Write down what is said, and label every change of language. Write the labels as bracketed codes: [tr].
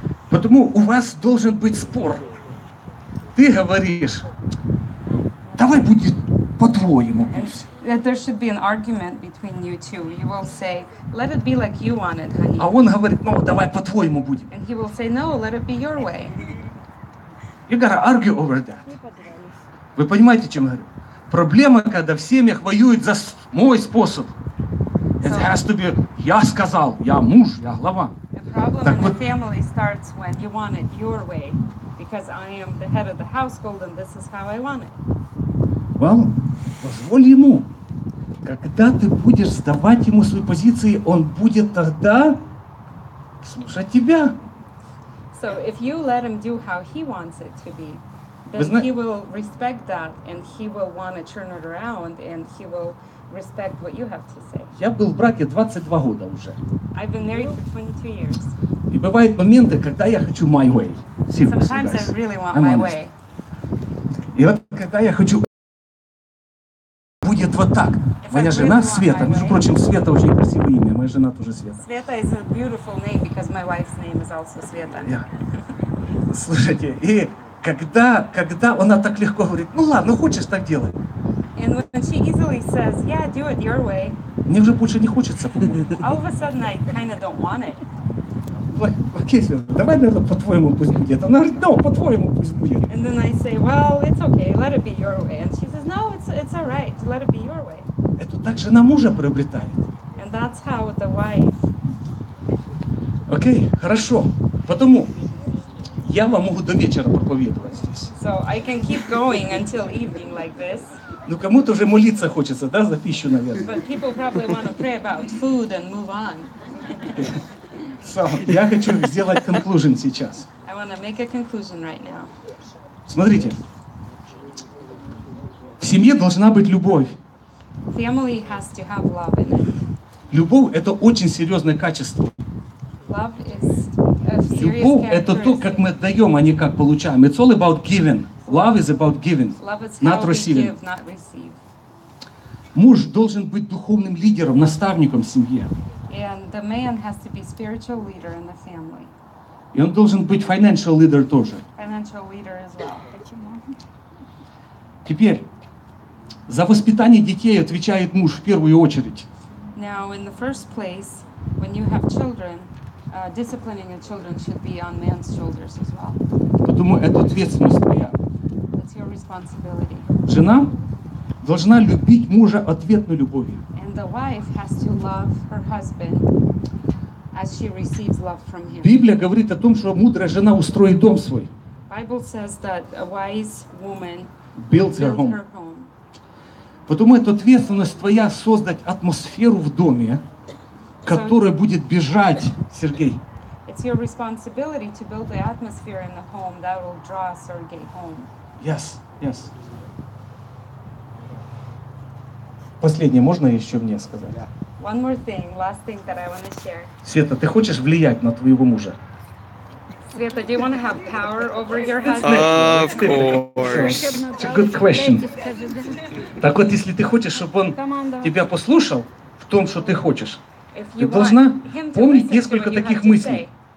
[ru] Потому у вас должен быть спор. Ты говоришь, давай будет по-твоему. [en] That there should be an argument between you two. You will say, let it be like you want it, honey. [ru] А он говорит, ну давай по-твоему будет. [en] And he will say, no, let it be your way. You gotta argue over that. [ru] Вы понимаете, о чем я говорю? Проблема, когда в семьях воюют за мой способ. [en] It has to be, [ru] я сказал, я муж, я глава. [en] The problem так in вот, the family starts when you want it your way, because I am the head of the household and this is how I want it. [ru] Well, позволь ему, когда ты будешь сдавать ему свои позиции, он будет тогда слушать тебя. [en] So if you let him do how he wants it to be, then he will respect that and he will want to turn it around and he will respect what you have to say. [ru] Я был в браке 22 года уже. [en] I've been married for 22 years. [ru] И бывают моменты, когда я хочу [en] my way. Sometimes I really want my way. [ru] И вот когда я хочу будет вот так. Моя жена Света, между прочим, Света очень красивое имя, моя жена тоже Света. [en] Света is a beautiful name because my wife's name is also Света. Yeah. [ru] Слушайте, и когда она так легко говорит, ну ладно, хочешь, так делай. [en] And when she easily says, yeah, do it your way. [ru] Мне уже больше не хочется, по-моему. [en] All of a sudden, I kind of don't want it. [ru] Окей, Света, давай, наверное, по-твоему пусть будет. Она говорит, no, по-твоему пусть будет. [en] And then I say, well, it's okay, let it be your way. And she says, no, it's all right, let it be your way. [ru] Это так жена мужа приобретает. [en] And that's how the wife. [ru] Окей, хорошо, потому я вам могу до вечера проповедовать здесь. [en] So I can keep going until evening like this. [ru] Ну кому-то уже молиться хочется, да, за пищу, наверное. [en] But people probably want to pray about food and move on. [ru] So, я хочу сделать conclusion сейчас. [en] I want to make a conclusion right now. [ru] Смотрите. В семье должна быть любовь. [en] Family has to have love in it. [ru] Любовь – это очень серьезное качество. [en] Love is a [ru] любовь – это то, как мы отдаем, а не как получаем. [en] It's all about giving. Love is about giving, love is not receiving. Give, not receive. [ru] Муж должен быть духовным лидером, наставником в семье. [en] And the man has to be spiritual leader in the family. [ru] И он должен быть financial leader тоже. [en] Financial leader as well. [ru] Теперь, за воспитание детей отвечает муж в первую очередь. [en] Now, in the first place, when you have children, disciplining your children should be on man's shoulders as well. [ru] Потому это ответственность моя. [en] That's your responsibility. [ru] Жена должна любить мужа ответной любовью. [en] And the wife has to love her husband as she receives love from him. [ru] Библия говорит о том, что мудрая жена устроит дом свой. [en] Bible says that a wise woman builds her home. [ru] Потому это ответственность твоя создать атмосферу в доме, которая будет бежать, Сергей. [en] It's your responsibility to build the atmosphere in the home that will draw Sergey home. Yes, yes. [ru] Последнее, можно еще мне сказать? [en] Yeah. One more thing, last thing that I want to share. [ru] Света, ты хочешь влиять на твоего мужа? [en] Света, do you want to have power over your husband? Of course. It's a good question. [ru] Так вот, если ты хочешь, чтобы он тебя послушал в том, что ты хочешь, ты должна помнить несколько таких мыслей.